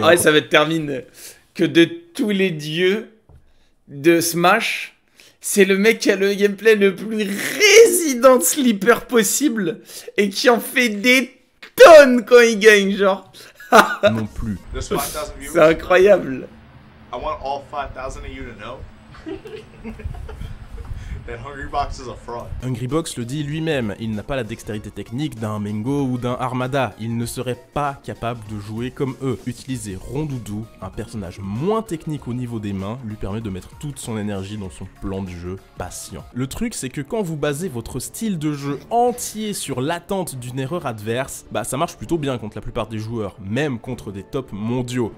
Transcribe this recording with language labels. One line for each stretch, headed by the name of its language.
French: Ouais, ça va être terminé. Que de tous les dieux de Smash, c'est le mec qui a le gameplay le plus résident sleeper possible et qui en fait des tonnes quand il gagne, genre. Non plus. C'est incroyable.
English: I want all 5,000 of you to know that Hungrybox is a fraud.
French: Hungrybox le dit lui-même, il n'a pas la dextérité technique d'un Mango ou d'un Armada. Il ne serait pas capable de jouer comme eux. Utiliser Rondoudou, un personnage moins technique au niveau des mains, lui permet de mettre toute son énergie dans son plan de jeu patient. Le truc, c'est que quand vous basez votre style de jeu entier sur l'attente d'une erreur adverse, bah ça marche plutôt bien contre la plupart des joueurs, même contre des tops mondiaux.